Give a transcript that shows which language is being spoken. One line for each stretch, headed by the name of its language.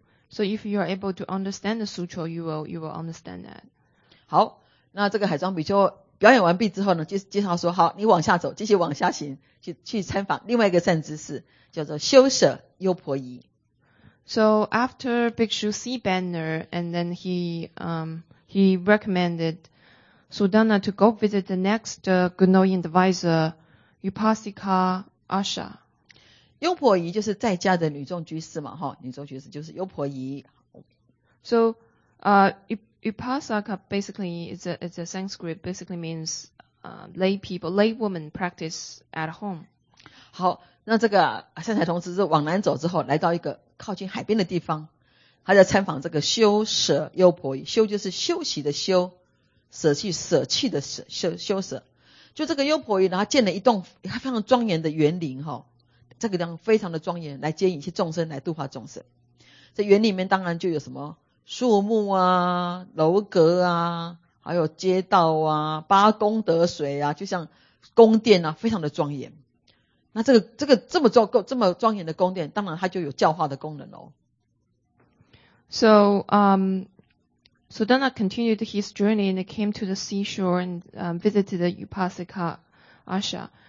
English: So if you are able to understand the sutra, you will understand that.
Chinese: 好，那这个海床比丘表演完毕之后呢，就介绍说，好，你往下走，继续往下行，去参访另外一个善知识，叫做修舍优婆夷。
English: So after Bhikshu Sibana, and then he recommended Sudana to go visit the next good knowing advisor,Upasika Asha.
Chinese: 优婆夷就是在家的女众居士嘛，哈，女众居士就是优婆夷。
English: So, Upasika basically is a Sanskrit, basically means, lay people, lay woman practice at home.
Chinese: 好，那这个善财童子是往南走之后，来到一个靠近海边的地方，他在参访这个修舍优婆夷。修就是休息的修，舍去舍弃的舍，修舍。就这个优婆夷，然后建了一栋非常庄严的园林，哈，这个地方非常的庄严，来接引一些众生，来度化众生。这园里面当然就有什么树木啊、楼阁啊，还有街道啊、八功德水啊，就像宫殿啊，非常的庄严。那这个这么庄严的宫殿，当然它就有教化的功能喽。
English: So, Sudana continued his journey and came to the seashore and visited the Upasika Asha.